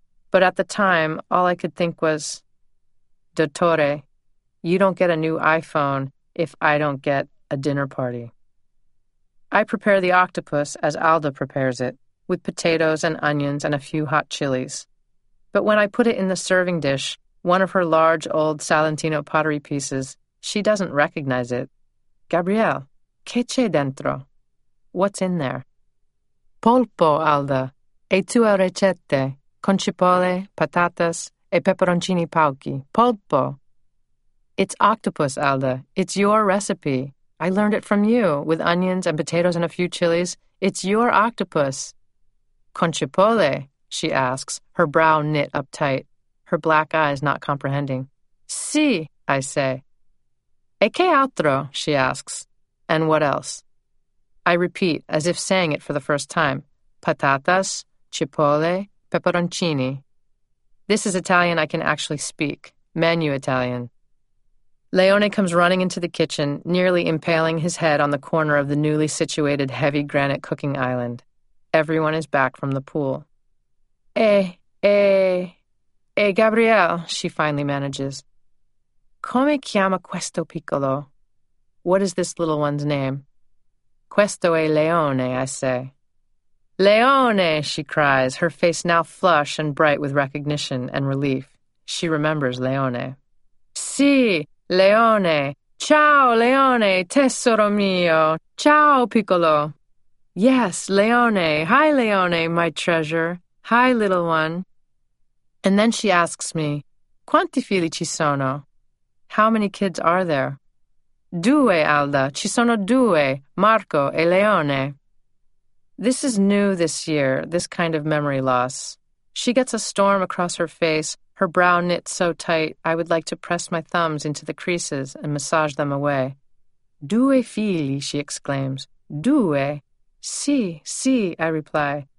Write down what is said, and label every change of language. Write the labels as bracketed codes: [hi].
[en] But at the time, all I could think was, "Dottore, you don't get a new iPhone if I don't get a dinner party." I prepare the octopus as Alda prepares it, with potatoes and onions and a few hot chilies. But when I put it in the serving dish, one of her large old Salentino pottery pieces, she doesn't recognize it. [it] "Gabrielle, che c'è dentro?" [en] What's in there? [it] "Polpo, Alda, e tue ricette, con cipolle, patatas, e peperoncini pauchi, polpo." [en] "It's octopus, Alda, it's your recipe. I learned it from you, with onions and potatoes and a few chilies. It's your octopus." [it] "Con cipolle?" [en] she asks, her brow knit up tight, her black eyes not comprehending. "Sì," I say. [it] "E che altro?" [en] she asks. "And what else?" I repeat, as if saying it for the first time. [it] "Patatas, cipolle, peperoncini." [en] This is Italian I can actually speak, menu Italian. Leone comes running into the kitchen, nearly impaling his head on the corner of the newly situated heavy granite cooking island. Everyone is back from the pool. "Eh, Gabrielle," she finally manages. [it] "Come chiama questo piccolo?" [en] What is this little one's name? [it] "Questo è Leone," [en] I say. "Leone," she cries, her face now flush and bright with recognition and relief. She remembers Leone. [it] "Sì, Leone. Ciao, Leone, tesoro mio. Ciao, piccolo." [en] "Yes, Leone. Hi, Leone, my treasure. Hi, little one." And then she asks me, [it] "Quanti figli ci sono?" [en] How many kids are there? [it] "Due, Alda. Ci sono due, Marco e Leone." [en] This is new this year, this kind of memory loss. She gets a storm across her face, her brow knit so tight, I would like to press my thumbs into the creases and massage them away. [it] "Due figli," [en] she exclaims. [it] "Due?" "Sì, sì," [en] I reply.